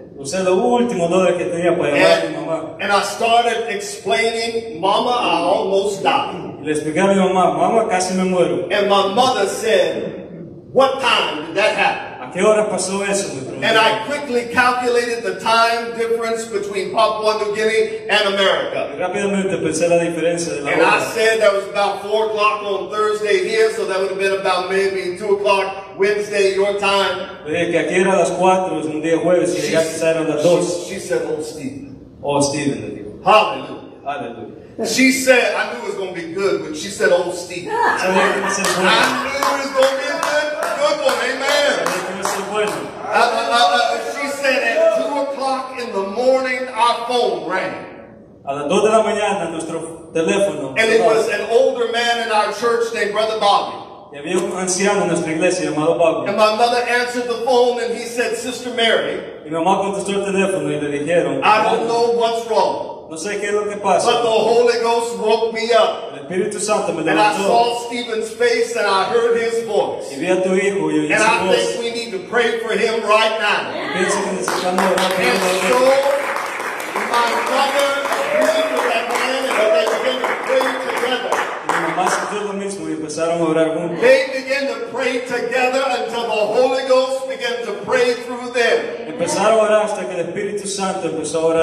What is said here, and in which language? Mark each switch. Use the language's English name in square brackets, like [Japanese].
[Spanish] Usé lo último dólar que tenía para llamar a mi mamá. [English] And I started explaining, mama, I almost died. [Spanish] Le expliqué a mi mamá, mama, casi me muero. [English] And my mother said, what time did that happen? [Spanish] ¿A qué hora pasó eso? [English] And I quickly calculated the time difference between Papua New Guinea and America. [Spanish] Rápidamente pensé la diferencia de la [English] and I said that was about 4 o'clock on Thursday here, so that would have been about maybe 2 o'clock Wednesday, your time. She said, oh, Stephen. Oh, Stephen. Hallelujah. Hallelujah. She said, I knew it was going to be good, but she said, oh, Stephen. I knew it was going to be a good one. Amen. She said at 2 o'clock in the morning our phone rang. [Spanish] A las 2 de la mañana nuestro teléfono. [English] And it was an older man in our church named Brother Bobby. [Spanish] Y había un anciano en nuestra iglesia llamado Bobby. [English] And my mother answered the phone and he said, Sister Mary. [Spanish] Y mamá contestó el teléfono y le dijeron, [English] I don't know what's wrong. [Spanish] No sé qué es lo que pasa. [English] But the Holy Ghost woke me up. [Spanish] El Espíritu Santo me levantó. [English] And I saw Stephen's face and I heard his voice. [Spanish] Y vi a tu hijo, y [English] and [Spanish] su [English] I [Spanish] voz. [English] Think we need to pray for him right now. Yeah. And so my mother agreed with that man and they began to pray together. [Spanish] Y orar juntos. [English] They began to pray together until the Holy Ghost began to pray through them. [Spanish] Empezaron a orar hasta que el Espíritu Santo empezó a orar.